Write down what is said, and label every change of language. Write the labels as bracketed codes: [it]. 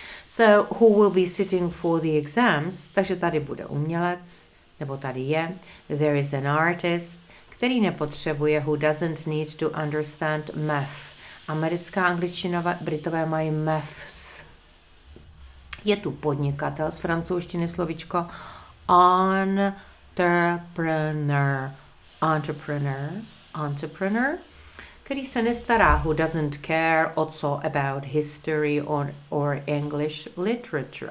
[en] So who will be sitting for the exams? [cs] Takže tady bude umělec, nebo tady je. [en] There is an artist, [cs] který nepotřebuje, [en] who doesn't need to understand math. [cs] Americká angličtina, Britové mají maths. Je tu podnikatel z francouzštiny slovičko entrepreneur, entrepreneur, entrepreneur, který se nestará, [en] who doesn't care also about history or English literature.